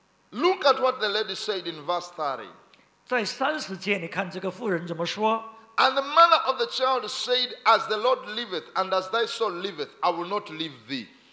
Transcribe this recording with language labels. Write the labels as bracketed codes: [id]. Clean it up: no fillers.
[en] Look at what the lady said in verse 30. [zh] 在30节你看这个妇人怎么说。 [en] And the mother of the child said, As the Lord liveth, and as thy soul liveth, I will not leave thee.